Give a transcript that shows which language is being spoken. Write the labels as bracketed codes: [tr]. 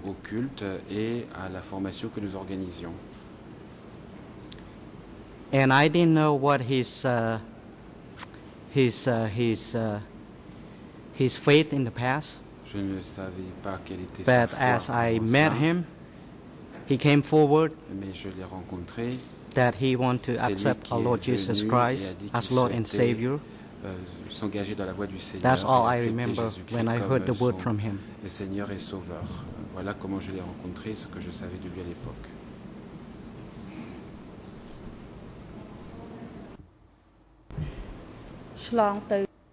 [fr] au culte et à la formation que nous organisions. [en] And I didn't know what his faith in the past. [fr] Je ne savais pas quelle était [en] but [fr] sa [en] as I met ça, him, he came forward. [fr] Mais je l'ai rencontré. [en] That he wanted to accept our Lord Jesus Christ as Lord and Savior. [fr] S'engager dans la voie du Seigneur. [en] That's all I remember when I heard the word from him. [fr] Le Seigneur est sauveur. Voilà comment je l'ai rencontré, ce que je savais de lui à l'époque.